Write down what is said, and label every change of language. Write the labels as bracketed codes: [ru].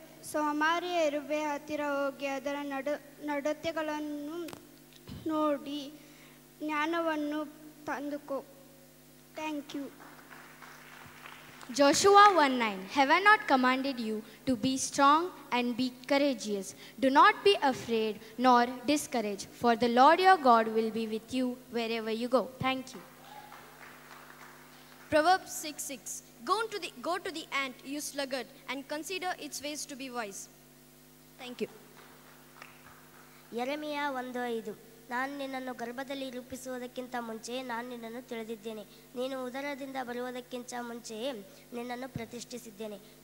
[kn] ಸೋಮಾರಿಯ ಇರುವೆ ಹತ್ತಿರ ಹೋಗಿ ಅದರ ನಡತೆಗಳನ್ನು ನೋಡಿ ಜ್ಞಾನವನ್ನು ತಂದುಕೋ. [en] Thank you. Joshua 1:9. Have I not commanded you to be strong and be courageous? Do not be afraid nor discouraged, for the Lord your God will be with you wherever you go. Thank you. Proverbs 6:6. Go to the ant, you sluggard, and consider its ways to be wise. Thank you. Jeremiah 1:5. [kn] ನಾನು ನಿನ್ನನ್ನು ಗರ್ಭದಲ್ಲಿ ರೂಪಿಸುವುದಕ್ಕಿಂತ ಮುಂಚೆ ನಾನು ನಿನ್ನನ್ನು ತಿಳಿದಿದ್ದೇನೆ. ನೀನು ಉದರದಿಂದ ಬರುವುದಕ್ಕಿಂತ ಮುಂಚೆಯೇ ನಿನ್ನನ್ನು ಪ್ರತಿಷ್ಠಿಸಿದ್ದೇನೆ.